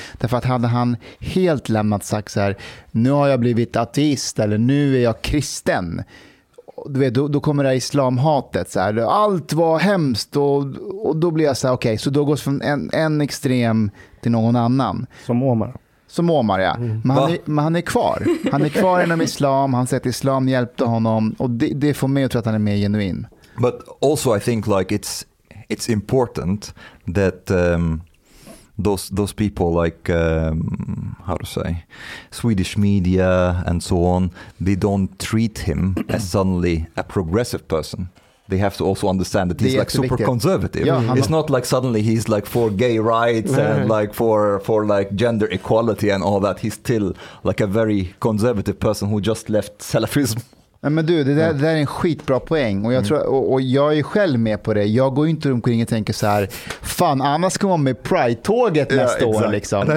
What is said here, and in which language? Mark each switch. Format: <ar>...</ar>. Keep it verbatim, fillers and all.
<sv>Därför att hade han helt lämnat sagt så här, nu har jag blivit ateist eller nu är jag kristen, du vet, då, då kommer det här islamhatet så här, allt var hemskt och, och då blir jag så här, okej, okay, så då går det från en, en extrem till någon annan. Som Omar. Som Omar, ja. Mm. Men, han är, men han är kvar. Han är kvar inom islam, han säger att islam hjälpte honom och det, det får mig att tro att han är mer genuin.</sv> <en>But also I think like it's, it's important that um, those those people like um, how to say Swedish media and so on, they don't treat him as suddenly a progressive person. They have to also understand that he's like super conservative. Yeah, it's not like suddenly he's like for gay rights mm. and like for for like gender equality and all that. He's still like a very conservative person who just left Salafism.</en> <sv>Men du, det där, det där är en skitbra poäng och jag, tror, och, och jag är själv med på det. Jag går ju inte omkring och tänker så här: fan, annars ska man med Pride-tåget yeah, nästa</sv> <en>exactly.</en> <sv>år liksom.</sv>